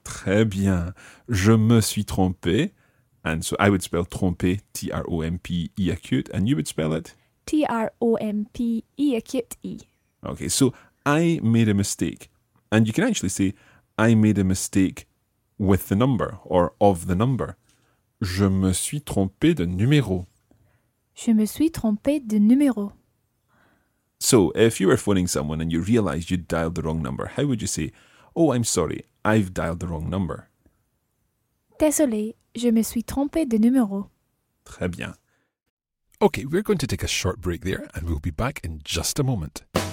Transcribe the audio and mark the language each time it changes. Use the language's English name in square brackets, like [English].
[French] Très bien. Je me suis trompé. [English] And so, I would spell trompé, T-R-O-M-P-E acute, and you would spell it? T-R-O-M-P-E acute E. Okay, so, I made a mistake. And you can actually say, I made a mistake with the number or of the number. [French] Je me suis trompé de numéro. Je me suis trompé de numéro. [English] So, if you were phoning someone and you realized you'd dialed the wrong number, how would you say, oh, I'm sorry, I've dialed the wrong number? [French] Désolé, je me suis trompé de numéro. Très bien. [English] Okay, we're going to take a short break there and we'll be back in just a moment.